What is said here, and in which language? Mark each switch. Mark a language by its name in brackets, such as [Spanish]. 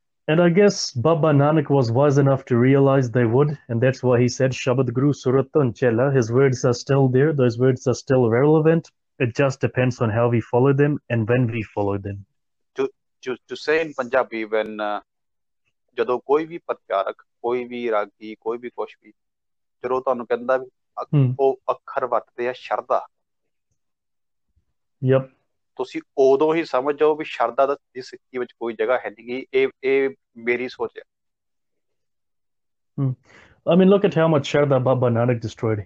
[English] And I guess Baba Nanak was wise enough to realize they would, and that's why he said Shabad Guru Suratan Chela. His words are still there, those words are still relevant. It just depends on how we follow them and when we follow them. To say in Punjabi, when [Punjabi] ਜਦੋਂ ਕੋਈ ਵੀ ਪਤਕਾਰਕ, ਕੋਈ ਵੀ ਰਾਗੀ, ਕੋਈ ਵੀ ਕੁਛ ਵੀ, ਜਦੋਂ ਤੁਹਾਨੂੰ ਕਹਿੰਦਾ ਵੀ ਉਹ ਅੱਖਰ ਵਰਤਦੇ ਆ ਸ਼ਰਧਾ, [English] Yep. [Punjabi] ਤੁਸੀਂ ਉਦੋਂ ਹੀ ਸਮਝ ਜਾਓ ਵੀ ਸ਼ਰਧਾ ਦਾ ਦੀ ਸਿੱਕੀ ਵਿੱਚ ਕੋਈ ਜਗ੍ਹਾ ਹੈ ਨਹੀਂ ਗੀ. ਇਹ ਮੇਰੀ ਸੋਚ ਹੈ. [English] I mean, look at how much Sharda Baba Nanak destroyed.